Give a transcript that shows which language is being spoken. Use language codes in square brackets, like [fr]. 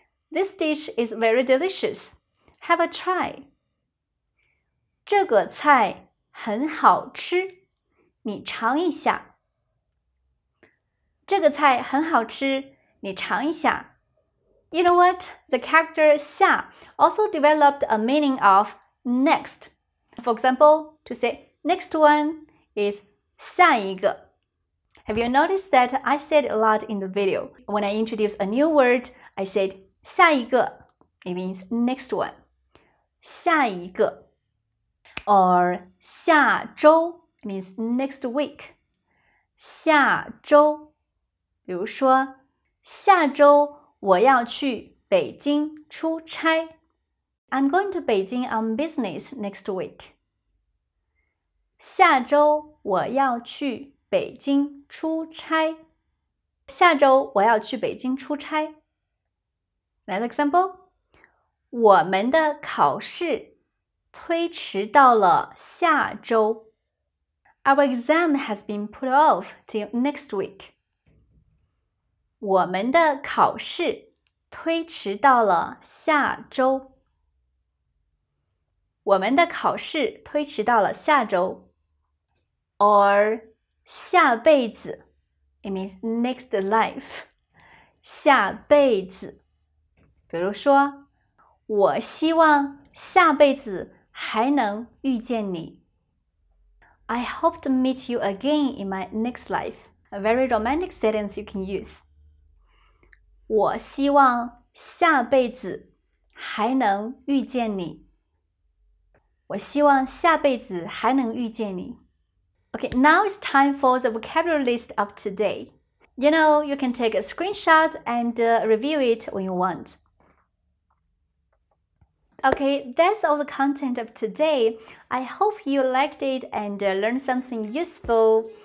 [en] This dish is very delicious. Have a try. [zh] 这个菜很好吃，你尝一下。这个菜很好吃，你尝一下。 [en] You know what? The character 下 also developed a meaning of next. For example, to say next one is [zh] 下一个。 [en] Have you noticed that I said a lot in the video? When I introduce a new word, I said [zh] 下一个。 [en] It means next one. [zh] 下一个。 [en] Or 下周 means next week. [zh] 下周。比如说，下周我要去北京出差。 [en] I'm going to Beijing on business next week. [zh] 下周我要去北京出差。下周我要去北京出差。 [en] Next example. [zh] 我们的考试推迟到了下周。 [en] Our exam has been put off till next week. [zh] 我们的考试推迟到了下周。我们的考试推迟到了下周。 [en] Or 下辈子 It means next life. [zh] 下辈子。比如说，我希望下辈子还能遇见你。 [en] I hope to meet you again in my next life. A very romantic sentence you can use. 我希望下辈子还能遇见你。我希望下辈子还能遇见你。 Okay, now it's time for the vocabulary list of today. You know, you can take a screenshot and review it when you want. Okay, that's all the content of today. I hope you liked it and learned something useful.